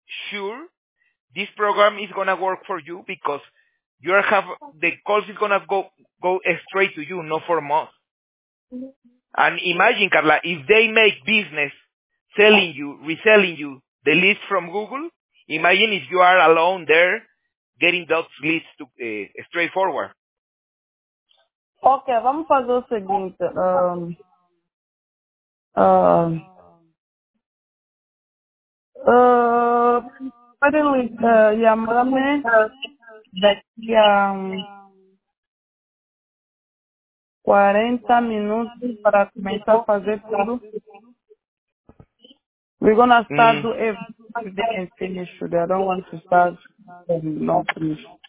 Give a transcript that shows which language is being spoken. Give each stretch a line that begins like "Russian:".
English: sure this program is going to work for you because you have the calls is going to go straight to you, not from us. And imagine, Carla, if they make business selling you, reselling you the leads from Google, imagine if you are alone there getting those leads to straightforward.
Portuguese: Okay, vamos fazer o seguinte. Pode chamar-me daqui a 40 minutos para começar a fazer tudo.
English: We're gonna start to everything and finish it. I don't want to start and not finish.